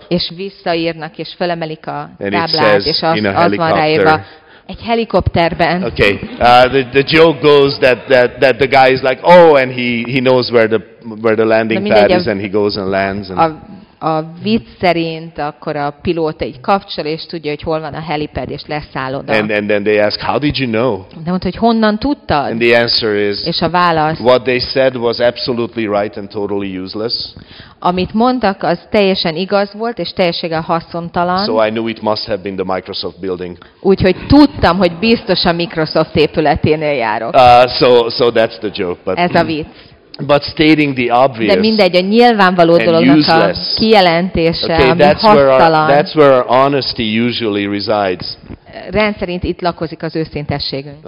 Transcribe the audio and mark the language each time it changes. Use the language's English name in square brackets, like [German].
[Hungarian] és visszaírnak, és fölemelik a táblát, és az van ráírva. Egy helikopterben. [English] Okay. The joke goes that the guy is like, oh, and he knows where the landing pad is, and he goes and lands. [Hungarian] A vicc szerint akkor a pilóta egy kapcsol, és tudja, hogy hol van a helipad, és leszáll oda. [English] And then they ask, how did you know? [Hungarian] De mondta, hogy honnan tudtad? [English] And the answer is, [Hungarian] és a válasz, [English] what they said was absolutely right and totally useless. [Hungarian] Amit mondtak, az teljesen igaz volt, és teljesen haszontalan. [English] So I knew it must have been the Microsoft building. [Hungarian] Úgyhogy tudtam, hogy biztos a Microsoft épületénél járok. [English] So that's the joke. But [Hungarian] ez a vicc. [English] But stating the obvious, [Hungarian] de mindegy, a nyilvánvaló dolognak a kijelentése, [English] okay, [Hungarian] ami hasztalan. [English] That's where our honesty usually resides. [Hungarian] Rendszerint itt lakozik az őszintességünk.